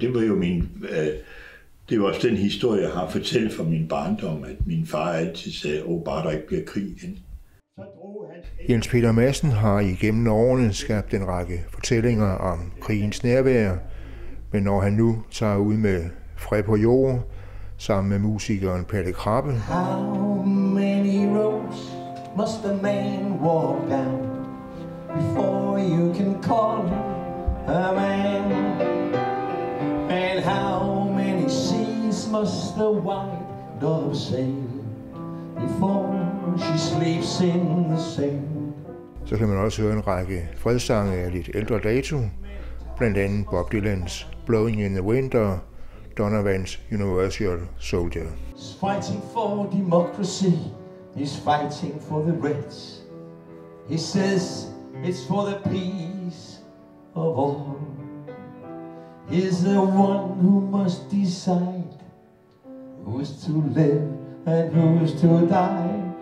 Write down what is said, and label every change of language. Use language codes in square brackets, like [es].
[da] Og det var jo det var også den historie, jeg har fortalt fra min barndom, at min far altid sagde, åh, bare der ikke bliver krig igen. Jens Peter Madsen har igennem årene skabt en række fortællinger om krigens nærvær, men når han nu tager ud med Fred på jord sammen med musikeren Palle Krabbe. [en] How many roads must the man walk down before you can call a man? And how many seas must the white dove sail before she sleeps in the sand? [da] Så kan man også høre en række fredssange af lidt ældre dato, blandt andet Bob Dylan's Blowing in the Wind og Donovan's Universal Soldier. [en] He's fighting for democracy, he's fighting for the rights. He says it's for the peace of all. He's the one who must decide who is to live and who is to die.